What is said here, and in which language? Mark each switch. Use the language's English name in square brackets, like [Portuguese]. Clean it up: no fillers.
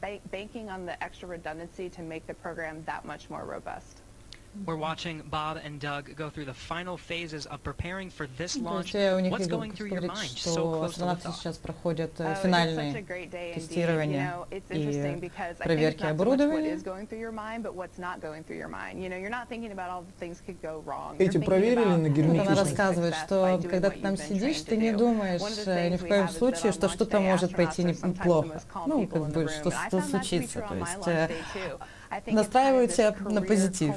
[English] Banking on the extra redundancy to make the program that much more robust. We're watching Bob and Doug go through the final phases of preparing for this launch. What's going through your mind? So close to the [Russian] сейчас проходят финальные тестирования и проверки оборудования. [English] You know, you're not thinking about all the things could go wrong. [Russian] Эти проверили на герметичность. Она рассказывает, что когда ты там сидишь, ты не думаешь ни в коем случае, что что-то может пойти неплохо. Ну, как бы что-то случится, то есть настраивают себя на позитив.